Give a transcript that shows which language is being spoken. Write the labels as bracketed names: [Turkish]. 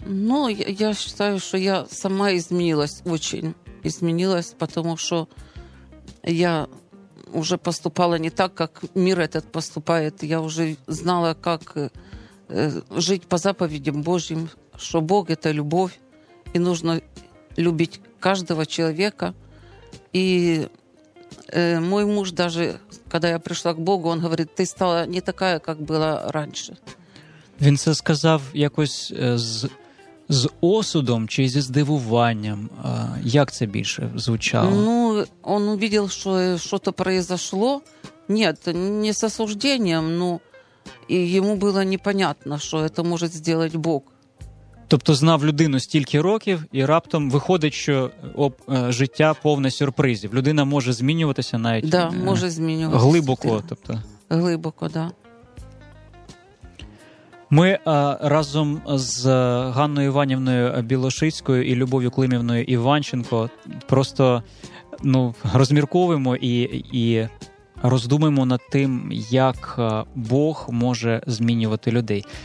[Ukrainian] Ну, я вважаю, що я сама змінилась, дуже змінилась, тому що я вже поступала не так, як мир цей поступає. Я вже знала, як жити по заповідям Божим, що Бог – це любов, і потрібно любити кожного чоловіка. І [Russian] мой муж даже, когда я пришла к Богу, он говорит, ты стала не такая, как была раньше. [Ukrainian] Він це сказав якось з осудом чи зі здивуванням. Як це більше звучало? [Russian] Ну, он увидел, что что-то произошло. Нет, не с осуждением, но и ему было непонятно, что это может сделать Бог. [Ukrainian] Тобто знав людину стільки років, і раптом виходить, що життя повне сюрпризів. Людина може змінюватися навіть да, може змінюватися. Глибоко. Тобто. Глибоко, так. Да. Ми разом з Ганною Іванівною Білошицькою і Любов'ю Климівною Іванченко просто ну, розмірковуємо і роздумуємо над тим, як Бог може змінювати людей.